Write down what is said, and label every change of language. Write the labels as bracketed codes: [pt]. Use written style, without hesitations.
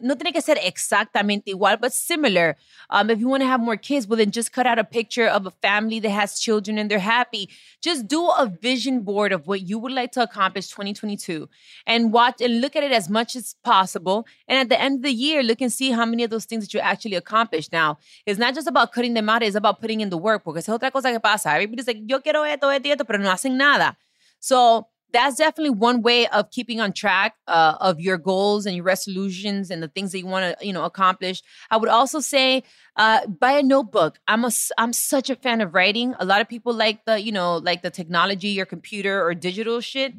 [es] No tiene que ser exactamente igual, [en] but similar. If you want to have more kids, well, then just cut out a picture of a family that has children and they're happy. Just do a vision board of what you would like to accomplish 2022 and watch and look at it as much as possible. And at the end of the year, look and see how many of those things that you actually accomplished. Now, it's not just about cutting them out. It's about putting in the work. [es] Porque es otra cosa que pasa. [en] Everybody's like, [es] yo quiero esto, esto, esto, pero no hacen nada. [en] So that's definitely one way of keeping on track of your goals and your resolutions and the things that you want to, you know, accomplish. I would also say buy a notebook. I'm such a fan of writing. A lot of people like the, you know, like the technology, your computer or digital shit.